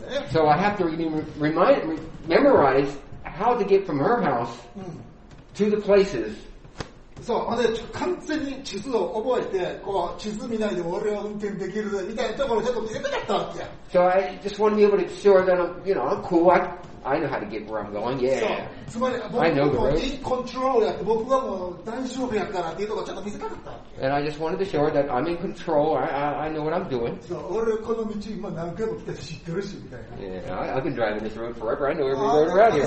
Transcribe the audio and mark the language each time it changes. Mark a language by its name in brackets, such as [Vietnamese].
[English] So I have to memorize how to get from her house to the places. [Japanese] そう、で、完全に地図を覚えて、こう、地図見ないで俺は運転できるみたいなところをちょっと見せたかったわけや。 [English] So I just want to be able to sure that I'm, you know, I'm cool. I know how to get where I'm going. Yeah. [Japanese] つまり、 [English] I know the road. [Japanese] 僕はもうコントロールやって、僕はもう大丈夫やからっていうところをちょっと見せたかったわ [English] け。And I just wanted to sure that I'm in control. I know what I'm doing. [Japanese] そう、俺この道今何回も来て知ってるし、みたいな。 [English] Yeah, I've been driving this road forever. I know every road around here.